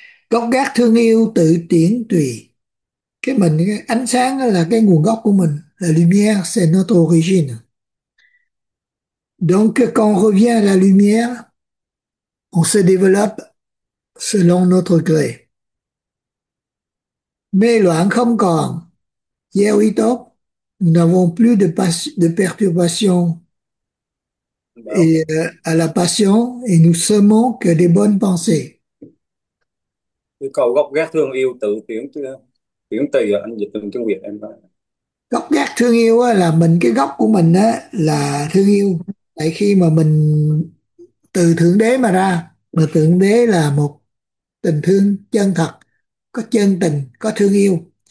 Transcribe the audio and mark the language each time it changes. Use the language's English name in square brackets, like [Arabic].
[Vietnamese] Gốc gác thương yêu tự tiễn tùy. Cái mình, cái ánh sáng đó là cái nguồn gốc của mình. [French] La lumière, c'est notre origine. Donc, quand on revient à la lumière, on se développe selon notre gré. [Vietnamese] Mê loạn không còn. Gieo ý tốt. [French] Nous n'avons plus de perturbation [Vietnamese] Bảo. [French] à la passion et nous semons que des bonnes pensées. [Vietnamese] Cái câu gốc gác thương yêu tự tiễn chứ tiễn tùy anh dịch từng tiếng Việt em nói. Gốc gác thương yêu á, là mình, cái gốc của mình á, là thương yêu. Tại khi mà mình từ Thượng Đế mà ra, mà Thượng Đế là một tình thương chân thật, có chân tình, có thương yêu.